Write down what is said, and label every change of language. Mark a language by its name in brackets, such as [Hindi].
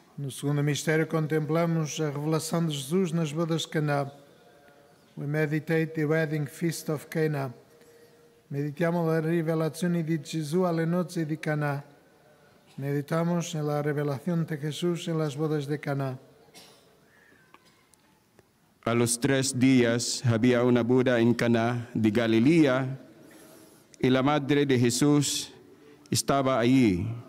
[Portuguese] Segundo o mistério, contemplamos a revelação de Jesus nas bodas de Caná. [English] We meditate the wedding feast of Cana. [Italian] Meditamos la rivelazione di Gesù alle nozze di Caná. [Spanish] Meditamos en la revelación de Jesús en las bodas de Caná. A los tres días había una boda en Caná de Galilea y la madre de Jesús estaba allí.